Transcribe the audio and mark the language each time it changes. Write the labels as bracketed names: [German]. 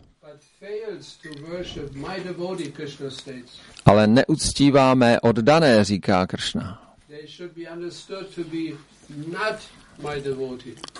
[English] But fails to worship my devotee, Krishna states. [Czech] Ale neuctívá mé oddané, říká Krishna. [English] They should be understood to be not my devotee.